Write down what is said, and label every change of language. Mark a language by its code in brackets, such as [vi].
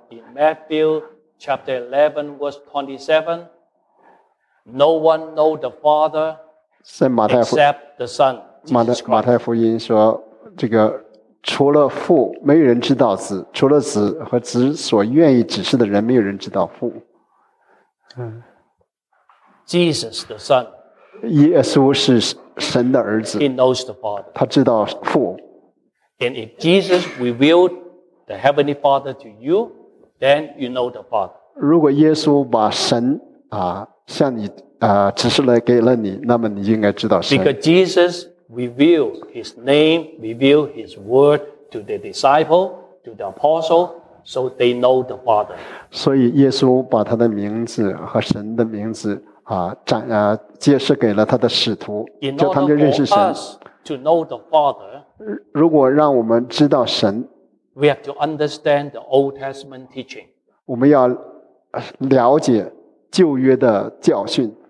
[en] in Matthew chapter 11, verse 27, no one know the Father except the Son. [zh] 马太福音说，这个除了父，没有人知道子；除了子和子所愿意指示的人，没有人知道父。 [en] Jesus the Son. [zh] 耶稣是神的儿子。 [en] He knows the Father. [zh] 他知道父。 [en] And if Jesus revealed the Heavenly Father to you, then you know the Father. [zh] 如果耶稣把神啊向你啊指示来给了你，那么你应该知道神。 [en] Because Jesus revealed His name, revealed His word to the disciple, to the apostle. So they know the Father. [zh] 所以耶稣把他的名字和神的名字啊展啊揭示给了他的使徒，叫他们就认识神。 [en] In order for us to know the Father, [zh] 如果让我们知道神 [en] ，we have to understand the Old Testament teaching. [zh] 我们要了解旧约的教训